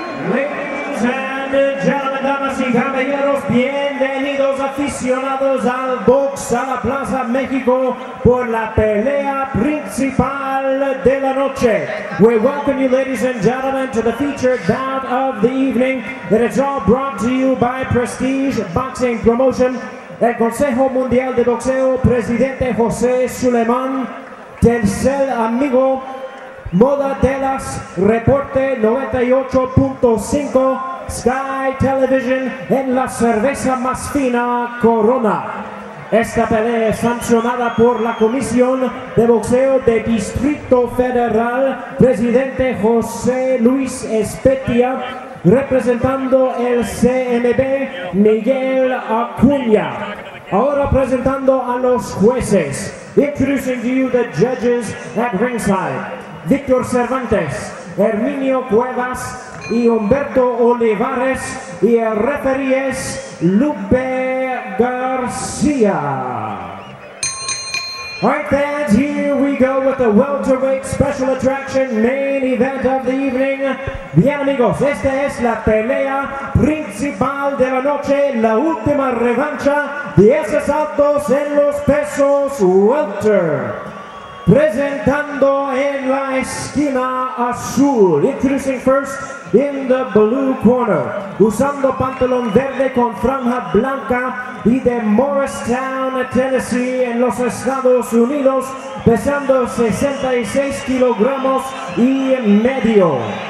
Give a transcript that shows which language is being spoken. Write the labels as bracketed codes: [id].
[en] Ladies and gentlemen, [es] damas y caballeros, bienvenidos aficionados al box a la Plaza México por la pelea principal de la noche. [en] We welcome you, ladies and gentlemen, to the featured bout of the evening that is all brought to you by Prestige Boxing Promotion. [es] El Consejo Mundial de Boxeo, Presidente José Suleiman, Tercer Amigo, Moda Telas, Reporte 98.5, Sky Television, en la cerveza más fina, Corona. Esta pelea es sancionada por la Comisión de Boxeo de Distrito Federal, Presidente José Luis Espetia, representando el CMB, Miguel Acuña. Ahora presentando a los jueces. [en] Introducing to you the judges at ringside. [es] Víctor Cervantes, Herminio Cuevas y Humberto Olivares, y el referee es Lupe Garcia. [en] All right, fans, here we go with the welterweight special attraction main event of the evening. [es] Bien, amigos, esta es la pelea principal de la noche, la última revancha de esos saltos en los pesos welter. Presentando en la esquina azul, [en] introducing first in the blue corner, [es] usando pantalón verde con franja blanca y de Morristown, Tennessee, en los Estados Unidos, pesando 66 kilogramos y medio.